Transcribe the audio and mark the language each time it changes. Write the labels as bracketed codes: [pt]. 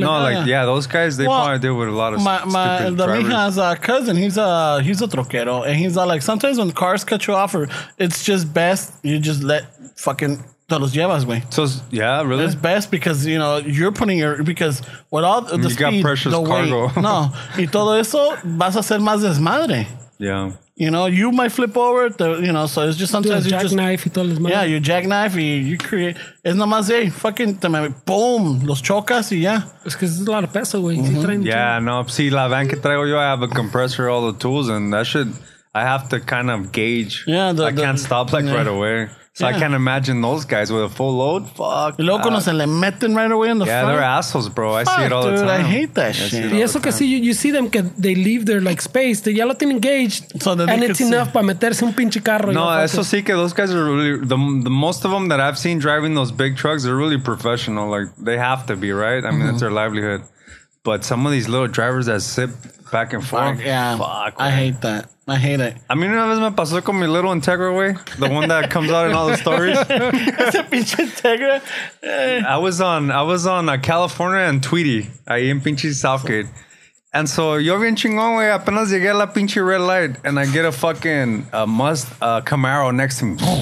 [en] like, those guys, they probably deal with a lot of stupid drivers. My cousin, he's a troquero, and he's like, sometimes when cars cut you off, or it's just best you just let fucking [es] te los llevas, güey. [en] So yeah, really, it's best because you know you're putting your because with all the speed, got precious the cargo. [es] Weight, no, y todo eso vas a hacer más desmadre. [en] Yeah. You know, you might flip over, you know, so it's just sometimes you just... Knife, you jackknife. Yeah, you jackknife, you create... It's nomás, hey, fucking, boom, [es] los chocas, y ya. [en] It's because it's a lot of peso, güey. Mm-hmm. Yeah, no, see, [es] la van que traigo yo, [en] I have a compressor, all the tools, and that should... I have to kind of gauge. Yeah, I can't stop, like, right away. So I can't imagine those guys with a full load. Fuck. [es] Y luego cuando se le meten [en] right away in the front. Yeah, they're assholes, bro. I see it all the time. I hate that shit. [es] Y eso que sí, [en] you see them, que they leave their like space. They [es] ya lo tienen [en] engaged. So then and it's enough [es] para meterse un pinche carro. No, eso sí que [en] those guys are really, the most of them that I've seen driving those big trucks, they're really professional. Like, they have to be, right? I mean, it's their livelihood. But some of these little drivers that sip back and forth. Fuck, yeah. Fuck. I hate that. I hate it. [es] A mí una vez me pasó con mi little Integra, güey. [en] The one that comes out in all the stories. [es] Ese pinche Integra. [en] I was on California and Tweety. [es] Ahí en pinche [en] Southgate. And so, [es] yo bien chingón, güey. Apenas llegué a la pinche [en] red light. And I get a fucking Camaro next to me.